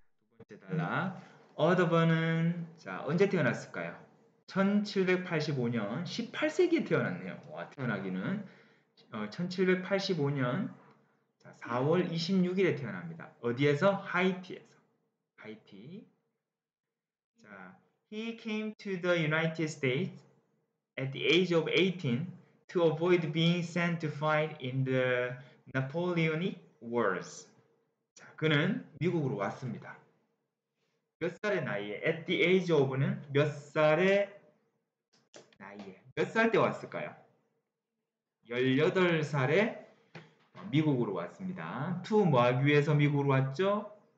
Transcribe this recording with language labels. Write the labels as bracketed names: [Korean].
[Korean] 두 번째 단락. 어더번은 자, 언제 태어났을까요? 1785년 18세기에 태어났네요. 와, 태어나기는 1785년 자, 4월 26일에 태어납니다. 어디에서? 하이티에서. 하이티. [English] 자, He came to the United States at the age of 18 to avoid being sent to fight in the Napoleonic Wars. [Korean] 자, 그는 미국으로 왔습니다. 몇 살의 나이에? [English] At the age of는 [Korean] 몇 살의 나이에? 몇 살 때 왔을까요? 18살에 미국으로 왔습니다. To 뭐 하기 위해서 미국으로 왔죠?